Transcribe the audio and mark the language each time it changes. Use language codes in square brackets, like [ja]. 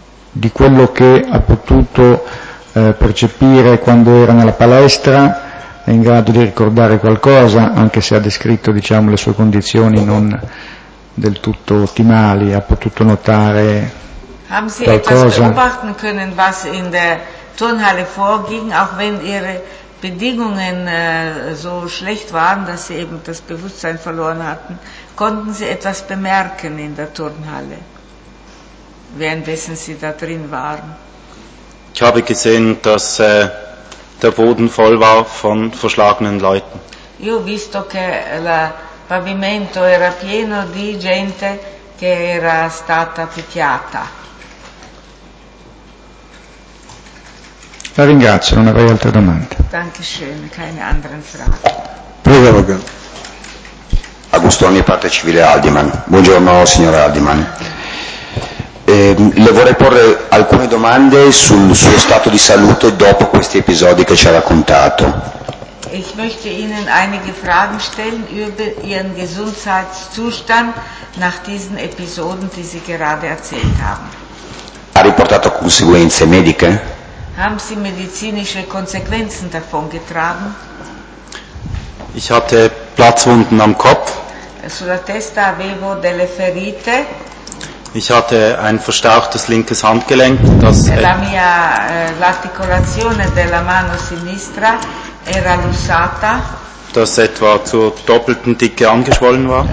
[it] Di quello che ha potuto percepire quando era nella palestra, è in grado di ricordare qualcosa, anche se ha descritto, diciamo, le sue condizioni non del tutto ottimali, ha potuto notare qualcosa. [de] Haben Sie etwas beobachten können, was in der Turnhalle vorging, auch wenn ihre Bedingungen so schlecht waren, dass sie eben das Bewusstsein verloren hatten, konnten sie etwas bemerken in der Turnhalle, währenddessen sie da drin waren? Ich habe gesehen, dass der Boden voll war von verschlagenen Leuten. [it] Io ho visto che il pavimento era pieno di gente che era stata picchiata. La ringrazio, non avrei altre domande. [de] Dankeschön, keine anderen Fragen. [it] Prego, prego. Agostoni, parte civile Aldiman. Buongiorno, signora Aldiman. Le vorrei porre alcune domande sul suo stato di salute dopo questi episodi che ci ha raccontato. [de] Ich möchte Ihnen einige Fragen stellen über Ihren Gesundheitszustand nach diesen Episoden, die Sie gerade erzählt haben. [it] Ha riportato conseguenze mediche? [de] Haben Sie medizinische Konsequenzen davon getragen? Ich hatte Platzwunden am Kopf. [it] Sulla testa avevo delle ferite. [de] Ich hatte ein verstauchtes linkes Handgelenk, das [it] la mia l'articolazione della mano sinistra era lussata. [de] Das etwa zur doppelten Dicke angeschwollen war.